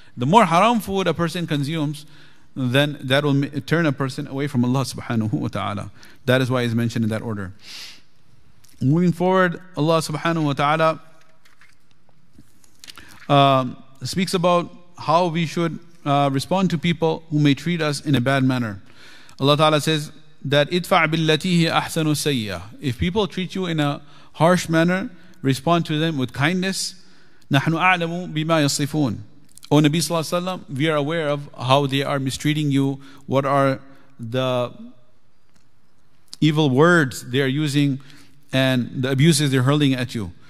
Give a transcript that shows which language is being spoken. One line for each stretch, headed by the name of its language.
English: The more haram food a person consumes, then that will turn a person away from Allah subhanahu wa ta'ala. That is why it's mentioned in that order. Moving forward, Allah subhanahu wa ta'ala speaks about how we should respond to people who may treat us in a bad manner. Allah ta'ala says that
Arabic: ادفع بالتي هي أحسن سيئة.
English: If people treat you in a harsh manner, respond to them with kindness.
Arabic: نحن أعلم بما يصفون.
English: O Nabi Sallallahu Alaihi Wasallam, we are aware of how they are mistreating you, what are the evil words they are using and the abuses they're hurling at you.